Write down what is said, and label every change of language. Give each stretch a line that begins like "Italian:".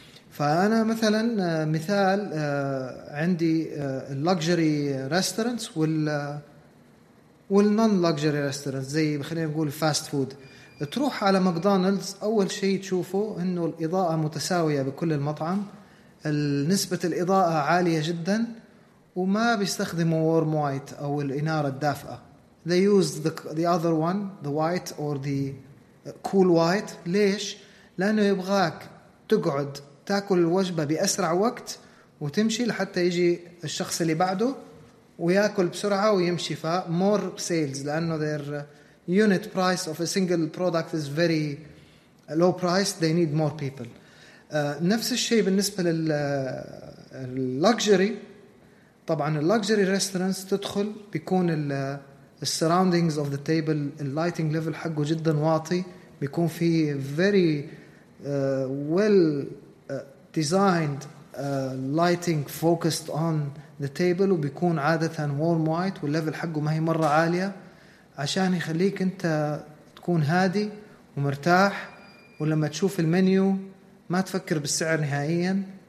Arabic: فأنا مثلا مثال عندي اللوكجري ريستورنتس والنون لوكجري ريستورنتس زي خلينا نقول فاست فود. تروح على ماكدونالدز أول شيء تشوفه إنه الإضاءة متساوية بكل المطعم، نسبة الإضاءة عالية جدا وما بيستخدموا warm white أو الإنارة الدافئة.
English: They use the other one, the white or the cool white.
Arabic: ليش؟ لأنه يبغاك تقعد تأكل الوجبة بأسرع وقت وتمشي لحتى يجي الشخص اللي بعده ويأكل بسرعة ويمشي.
English: فا more sales
Arabic: لأنه
English: their unit price of a single product is very low price. They need more people.
Arabic: نفس الشيء بالنسبة لل luxury. طبعا luxury restaurants تدخل بيكون
English: the surroundings of the table the lighting level
Arabic: حقه جدا واطي، بيكون في
English: very well designed lighting focused on the table
Arabic: وبيكون عادة warm white والليفل حقه ما هي مرة عالية عشان يخليك انت تكون هادي ومرتاح ولما تشوف المنيو ما تفكر بالسعر نهائيا.